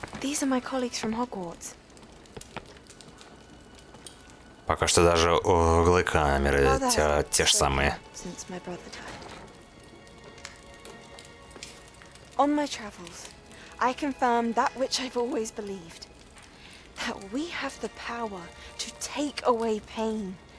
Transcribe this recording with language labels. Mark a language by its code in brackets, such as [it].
[en] These are my colleagues from Hogwarts. [ru] Пока что даже углы камеры те же самые. [en] Since my brother died. On my travels, I confirmed that which I've always believed. That we have the power to take away pain.